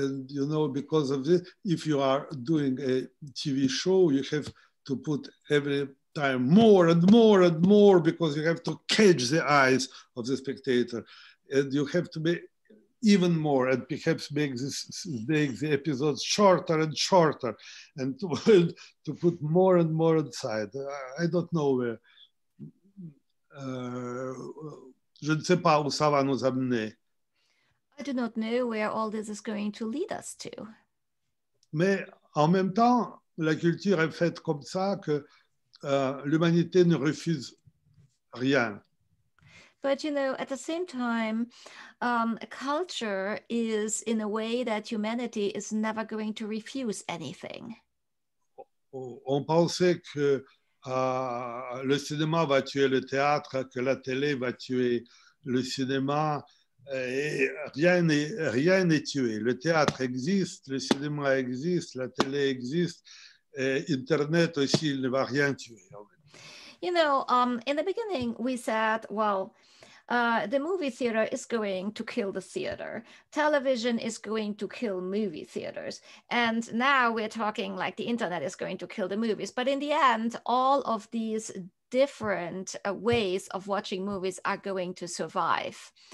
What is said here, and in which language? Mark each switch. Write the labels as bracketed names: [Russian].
[English] you know, because of this, if you are doing a TV show, you have to put every time more and more and more, because you have to catch the eyes of the spectator, and you have to be even more, and perhaps make the episodes shorter and shorter, and to put more and more inside. I don't know where. [French] Je ne sais pas où ça va nous amener. [English] I do not know where all this is going to lead us to. [French] Mais en même temps, la culture est faite comme ça que l'humanité ne refuse rien. [English] But you know, at the same time, culture is in a way that humanity is never going to refuse anything. [French] On pensait que le cinéma va tuer le théâtre, que la télé va tuer le cinéma, et rien n'est tué. Le théâtre existe, le cinéma existe, la télé existe. Internet aussi, il ne va rien tuer. [English] You know, in the beginning, we said, well, The movie theater is going to kill the theater. Television is going to kill movie theaters. And now we're talking like the internet is going to kill the movies. But in the end, all of these different ways of watching movies are going to survive.